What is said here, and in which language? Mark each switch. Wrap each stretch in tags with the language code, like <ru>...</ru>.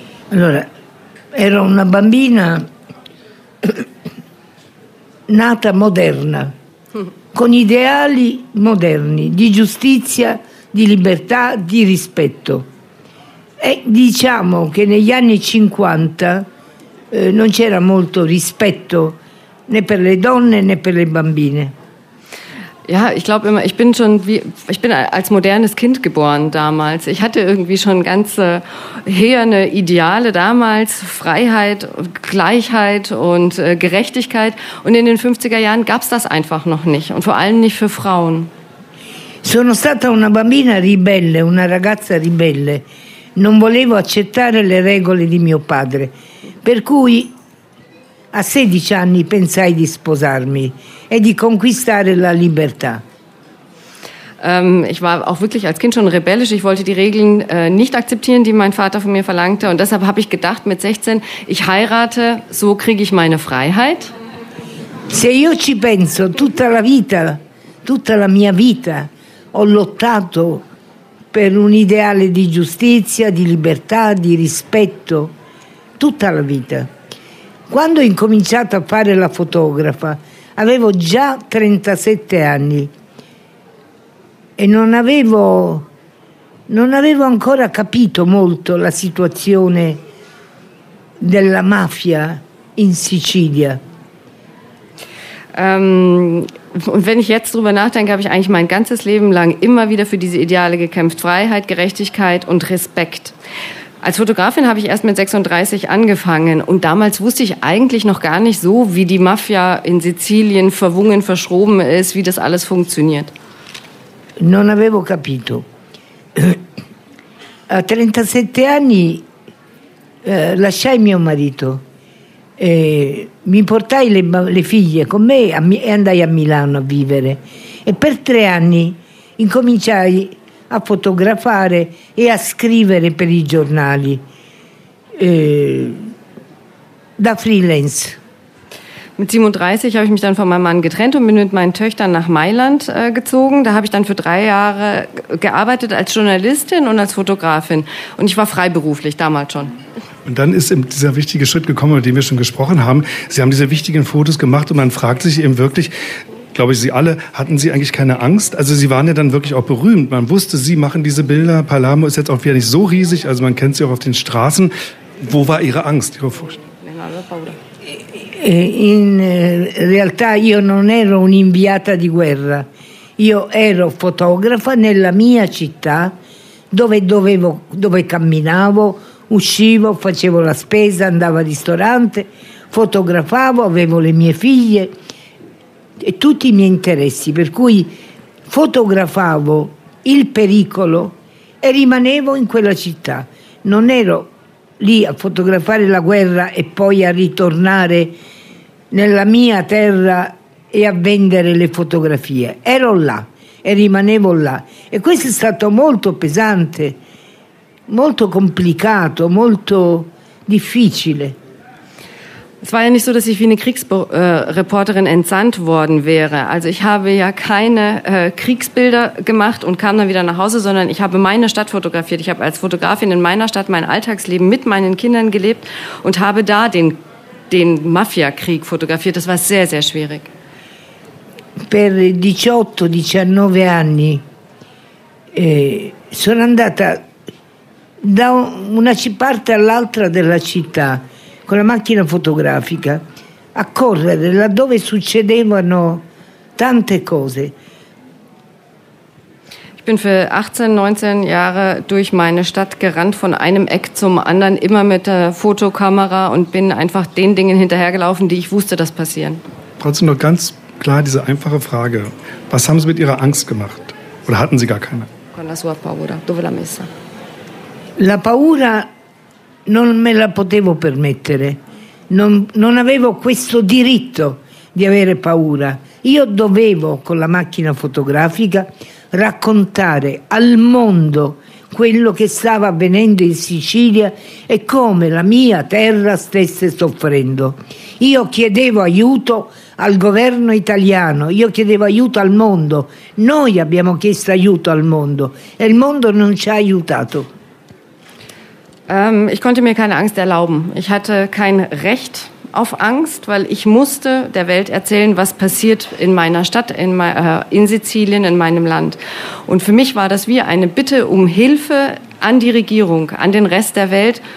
<it>Allora, era una bambina nata moderna, con ideali moderni di giustizia, di libertà, di rispetto. E diciamo che negli anni 50 non c'era molto rispetto né per le donne né per le bambine.</it> <de>Ja, ich glaube immer, ich bin als modernes Kind geboren damals. Ich hatte irgendwie schon ganze herne Ideale damals, Freiheit, Gleichheit und Gerechtigkeit. Und in den 50er Jahren gab es das einfach noch nicht und vor allem nicht für Frauen.</de> <it>Sono stata una bambina ribelle, una ragazza ribelle. Non volevo accettare le regole di mio padre. Per cui a 16 anni pensai di sposarmi e di conquistare la libertà.</it> <de>Ich war auch wirklich als Kind schon rebellisch. Ich wollte die Regeln nicht akzeptieren, die mein Vater von mir verlangte. Und deshalb habe ich gedacht, mit 16, ich heirate, so kriege ich meine Freiheit.</de> <it>Se io ci penso, tutta la mia vita, ho lottato per un ideale di giustizia, di libertà, di rispetto, tutta la vita. Quando ho incominciato a fare la fotografa, avevo già 37 anni e non avevo ancora capito molto la situazione della mafia in Sicilia.</it> <de>Und wenn ich jetzt drüber nachdenke, habe ich eigentlich mein ganzes Leben lang immer wieder für diese Ideale gekämpft. Freiheit, Gerechtigkeit und Respekt. Als Fotografin habe ich erst mit 36 angefangen und damals wusste ich eigentlich noch gar nicht so, wie die Mafia in Sizilien verwungen, verschroben ist, wie das alles funktioniert.</de> <it>Non avevo capito. A 37 anni lasciai mio marito. E mi portai le figlie con me e andai a Milano a vivere e per 3 anni incominciai a fotografare e a scrivere per i giornali da freelance.</it> <de>Mit 37 habe ich mich dann von meinem Mann getrennt und bin mit meinen Töchtern nach Mailand gezogen. Da habe ich dann für 3 Jahre gearbeitet als Journalistin und als Fotografin. Und ich war freiberuflich damals schon. Und dann ist eben dieser wichtige Schritt gekommen, über den wir schon gesprochen haben. Sie haben diese wichtigen Fotos gemacht und man fragt sich eben wirklich, glaube ich, Sie alle, hatten Sie eigentlich keine Angst? Also Sie waren ja dann wirklich auch berühmt. Man wusste, Sie machen diese Bilder. Palermo ist jetzt auch wieder nicht so riesig, also man kennt Sie auch auf den Straßen. Wo war Ihre Angst, Ihre Furcht?</de> <it>In realtà io non ero un'inviata di guerra, io ero fotografa nella mia città dove camminavo, uscivo, facevo la spesa, andavo al ristorante, fotografavo, avevo le mie figlie e tutti i miei interessi, per cui fotografavo il pericolo e rimanevo in quella città, non ero lì a fotografare la guerra e poi a ritornare nella mia terra e a vendere le fotografie. Ero là e rimanevo là. E questo è stato molto pesante, molto complicato, molto difficile.</it> <de>Es war ja nicht so, dass ich wie eine Kriegsreporterin entsandt worden wäre. Also ich habe ja keine Kriegsbilder gemacht und kam dann wieder nach Hause, sondern ich habe meine Stadt fotografiert. Ich habe als Fotografin in meiner Stadt mein Alltagsleben mit meinen Kindern gelebt und habe da den Mafia-Krieg fotografiert. Das war sehr, sehr schwierig.</de> <it>Per 18-19 anni sono andata da una parte all'altra della città con la macchina fotografica a correre laddove succedevano tante cose.</it> <de>Ich bin für 18-19 Jahre durch meine Stadt gerannt, von einem Eck zum anderen, immer mit der Fotokamera und bin einfach den Dingen hinterhergelaufen, die ich wusste, dass passieren. Trotzdem noch ganz klar diese einfache Frage. Was haben Sie mit Ihrer Angst gemacht? Oder hatten Sie gar keine?</de> <it>Con la sua paura, dove l'ha messa? La paura non me la potevo permettere. Non avevo questo diritto di avere paura. Io dovevo, con la macchina fotografica, raccontare al mondo quello che stava avvenendo in Sicilia e come la mia terra stesse soffrendo. Io chiedevo aiuto al governo italiano, io chiedevo aiuto al mondo. Noi abbiamo chiesto aiuto al mondo e il mondo non ci ha aiutato.</it> <de>Ich konnte mir keine Angst erlauben. Ich hatte kein Recht auf Angst, weil ich musste der Welt erzählen, was passiert in meiner Stadt, in Sizilien, in meinem Land. Und für mich war das wie eine Bitte um Hilfe an die Regierung, an den Rest der Welt.</de>